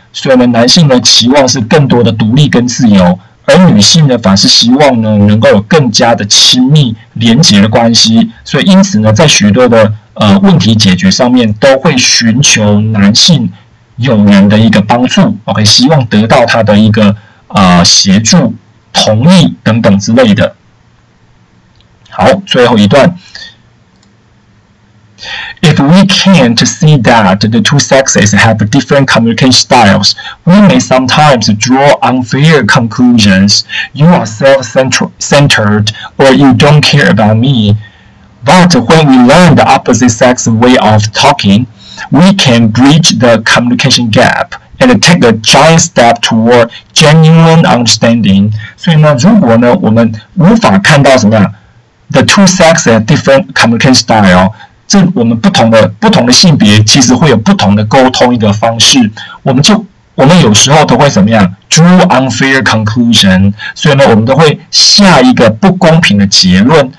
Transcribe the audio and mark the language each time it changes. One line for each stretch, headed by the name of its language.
Chinese: 所以呢，男性呢期望是更多的独立跟自由，而女性呢，反是希望呢能够有更加的亲密连结的关系。所以因此呢，在许多的问题解决上面，都会寻求男性友人的一个帮助 ，OK， 希望得到他的一个协助、同意等等之类的。好，最后一段。
English: If we can't see that the two sexes have different communication styles, we may sometimes draw unfair conclusions. You are self-centered, or you don't care about me. But when we learn the opposite sex way of talking, we can bridge the communication gap and take a giant step toward genuine understanding.
Chinese: 所以呢，如果呢，我们无法看到什么呀？
English: The two sexes have different communication style.
Chinese: 这我们不同的性别其实会有不同的沟通一个方式。我们有时候都会怎么样 ？
English: Draw unfair conclusion.
Chinese: 所以呢，我们都会下一个不公平的结论。